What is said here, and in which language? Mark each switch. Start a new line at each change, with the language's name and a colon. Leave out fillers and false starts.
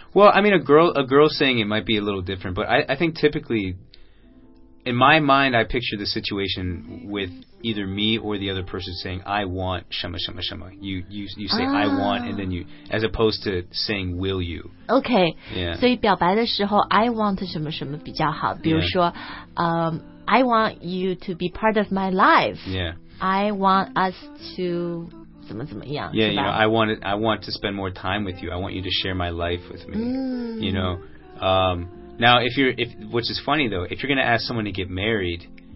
English: Well, I mean, a girl saying it might be a little different, but I think typically, in my mind, I picture the situation with. Either me or the other person saying I want shama shama shama. You say、 ah. I want and then you as opposed to saying will you. Okay. Yeah.
Chinese: 所以表白的时候
English: I want
Chinese: 什么什么比较好。比如说、
English: yeah. I want you to be part of my life. Yeah. I want us to
Chinese: 怎么怎么样。
English: Yeah, you know, I want to spend more time with you. I want you to share my life with me.、 Mm. You know.、Now if which is funny though, if you're going to ask someone to get married,